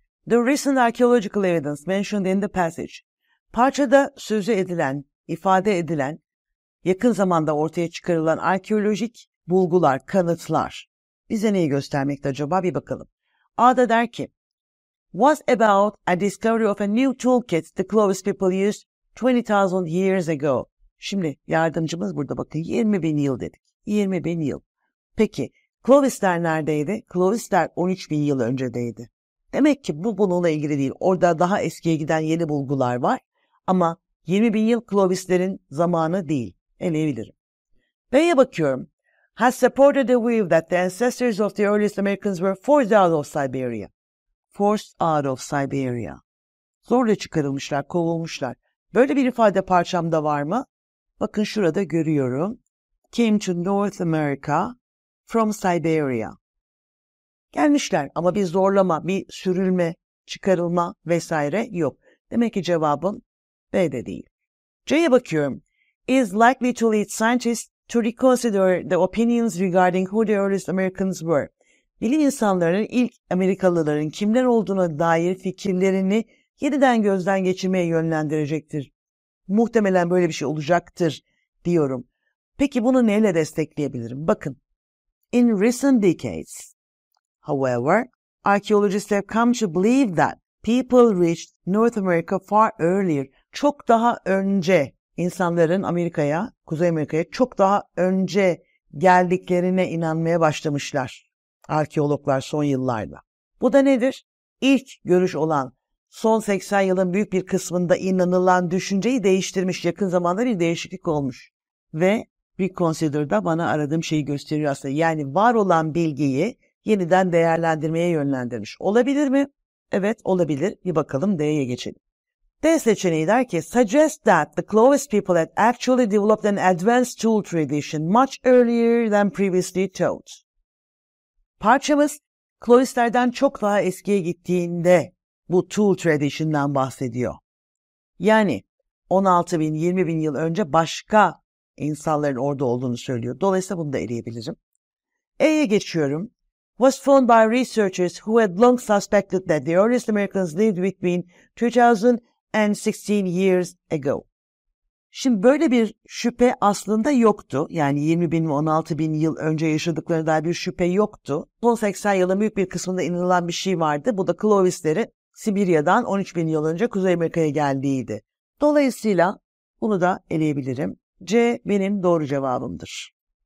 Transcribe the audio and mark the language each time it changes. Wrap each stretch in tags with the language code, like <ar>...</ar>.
<en>The recent archaeological evidence mentioned in the passage.</en> <tr>Parçada sözü edilen, ifade edilen, yakın zamanda ortaya çıkarılan arkeolojik bulgular, kanıtlar bize neyi göstermekte acaba, bir bakalım. A da der ki,</tr> <en>was about a discovery of a new toolkit the Clovis people used 20,000 years ago.</en> <tr>Şimdi yardımcımız burada bakın 20 bin yıl dedik. 20 bin yıl. Peki Clovis'ler neredeydi? Clovis'ler 13 bin yıl öncedeydi. Demek ki bu bununla ilgili değil. Orada daha eskiye giden yeni bulgular var. Ama 20 bin yıl Clovis'lerin zamanı değil. Eleyebilirim. B'ye bakıyorum.</tr> <en>Has supported the view that the ancestors of the earliest Americans were forced out of Siberia. Forced out of Siberia.</en> <tr>Zorla çıkarılmışlar, kovulmuşlar. Böyle bir ifade parçamda var mı? Bakın şurada görüyorum.</tr> <en>Came to North America from Siberia.</en> <tr>Gelmişler ama bir zorlama, bir sürülme, çıkarılma vesaire yok. Demek ki cevabım B de değil. C'ye bakıyorum.</tr> <en>Is likely to lead scientists to reconsider the opinions regarding who the earliest Americans were.</en> <tr>Bilim insanlarının ilk Amerikalıların kimler olduğuna dair fikirlerini yeniden gözden geçirmeye yönlendirecektir. Muhtemelen böyle bir şey olacaktır diyorum. Peki bunu neyle destekleyebilirim? Bakın,</tr> <en>in recent decades, however, archaeologists have come to believe that people reached North America far earlier,</en> <tr>çok daha önce insanların Amerika'ya, Kuzey Amerika'ya çok daha önce geldiklerine inanmaya başlamışlar arkeologlar son yıllarda. Bu da nedir? İlk görüş olan son 80 yılın büyük bir kısmında inanılan düşünceyi değiştirmiş, yakın zamanda bir değişiklik olmuş ve reconsider da bana aradığım şeyi gösteriyor aslında. Yani var olan bilgiyi yeniden değerlendirmeye yönlendirmiş. Olabilir mi? Evet, olabilir. Bir bakalım D'ye geçelim. D seçeneği der ki,</tr> <en>suggest that the Clovis people had actually developed an advanced tool tradition much earlier than previously thought.</en> <tr>Parçamız Clovis'lerden çok daha eskiye gittiğinde bu tool tradition'dan bahsediyor. Yani 16 bin, 20 bin yıl önce başka insanların orada olduğunu söylüyor. Dolayısıyla bunu da eleyebilirim. E'ye geçiyorum.</tr> <en>Was found by researchers who had long suspected that the earliest Americans lived between 2000 and 16 years ago.</en> <tr>Şimdi böyle bir şüphe aslında yoktu. Yani 20 bin ve 16 bin yıl önce yaşadıkları dair bir şüphe yoktu. Son 80 yılın büyük bir kısmında inanılan bir şey vardı. Bu da Clovis'leri Sibirya'dan 13 bin yıl önce Kuzey Amerika'ya geldiğiydi. Dolayısıyla bunu da eleyebilirim. C benim doğru cevabımdır.</tr>